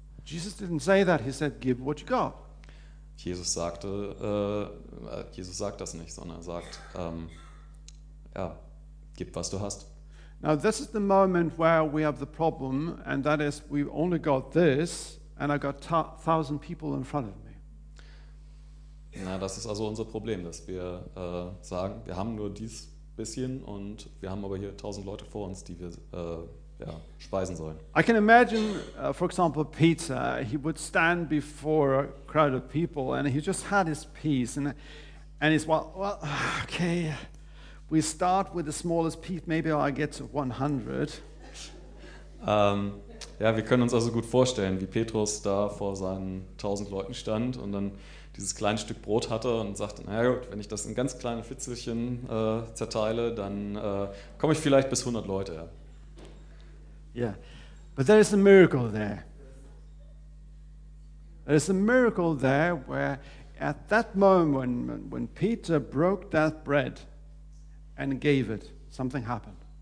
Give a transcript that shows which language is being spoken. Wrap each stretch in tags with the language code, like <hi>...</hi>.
<en>Jesus didn't say that, he said, give what you got.</en> <de>Jesus sagte, Jesus sagt das nicht, sondern er sagt, ja, gib, was du hast.</de> <en>Now this is the moment where we have the problem, and that is, we've only got this, and I've got 1,000 people in front of me.</en> <de>Na, das ist also unser Problem, dass wir sagen, wir haben nur dies bisschen und wir haben aber hier 1,000 Leute vor uns, die wir ja, speisen sollen.</de> <en>I can imagine, for example, Peter, he would stand before a crowd of people and he just had his piece and he's, well, okay, we start with the smallest piece, maybe I'll get to 100.</en> <de>Ja, wir können uns also gut vorstellen, wie Petrus da vor seinen 1,000 Leuten stand und dann dieses kleine Stück Brot hatte und sagte, naja gut, wenn ich das in ganz kleine Fitzelchen zerteile, dann komme ich vielleicht bis 100 Leute. Ja, yeah.</de> <en>But there is a miracle there. There is a miracle there where at that moment when Peter broke that bread and gave it, something happened.</en>